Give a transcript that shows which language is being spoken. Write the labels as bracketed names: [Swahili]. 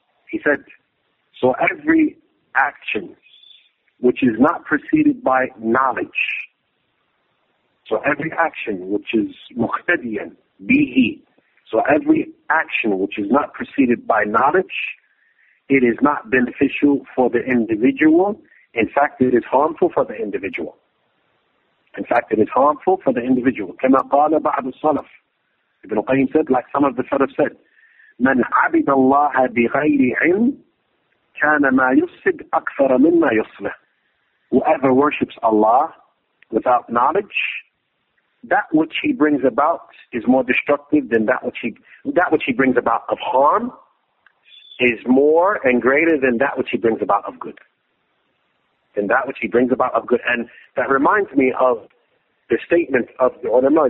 [English] He said, so every action which is not preceded by knowledge, so every action which is [Arabic] مُقْتَدِيًا بِهِ, [English] so every action which is not preceded by knowledge, it is not beneficial for the individual. In fact, it is harmful for the individual. In fact, it is harmful for the individual. [Arabic] كما قال بعض السلف. [English] Ibn Qayyim said, like some of the salaf said, [Arabic] من عبد الله بغير علم كان ما يفسد أكثر مما يصلح. [English] Whoever worships Allah without knowledge, that which he brings about is more destructive than that which he brings about of harm is more and greater than that which he brings about of good. And that reminds me of the statement of the ulama.